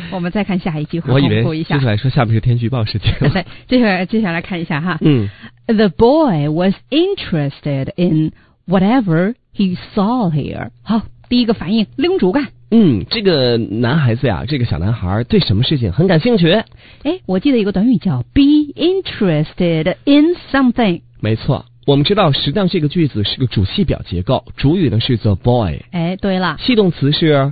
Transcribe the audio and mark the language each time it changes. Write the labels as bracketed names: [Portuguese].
[Chinese] 我们再看下一句话，公布一下。接下来说下面是天气预报时间。对，接下来看一下哈。嗯 [English] ，The boy was interested in whatever he saw here。 [Chinese] 好，第一个反应，拎竹竿。嗯，这个男孩子呀，这个小男孩对什么事情很感兴趣？哎，我记得一个短语叫 [English] be interested in something。 [Chinese] 没错，我们知道实际上这个句子是个主系表结构，主语呢是 [English] the boy。 [Chinese] 哎，对了，系动词是